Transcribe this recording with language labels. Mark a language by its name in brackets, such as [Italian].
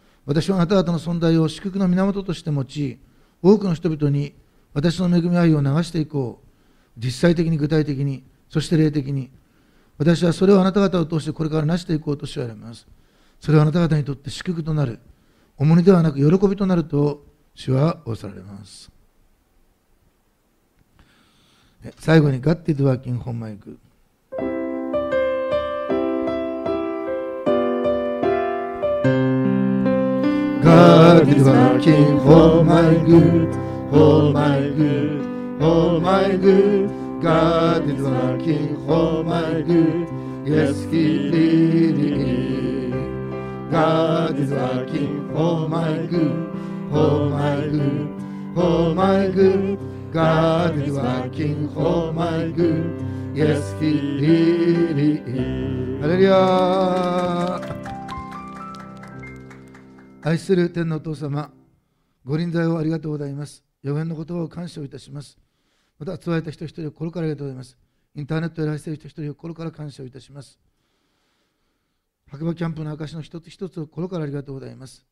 [Japanese] 私はあなた方の存在を祝福の源として用い、多くの人々に私の恵み愛を流していこう。実際的に、具体的に、そして霊的に。私はそれをあなた方を通してこれから成していこうと主は言われます。それはあなた方にとって祝福となる、重荷ではなく喜びとなると主は仰せられます。最後に [English] God is working on my good。 God is working for my good, for my good, for my good. God is working for my good, yes, He really is. God is working for my good, for my good, for my good. God is working for my good, yes, He really is. Hallelujah. [Japanese] 愛する天のお父様、ご臨在をありがとうございます。予言の言葉を感謝をいたします。また集われた人一人を心からありがとうございます。インターネットで愛している人一人を心から感謝をいたします。白馬キャンプの証の一つ一つを心からありがとうございます。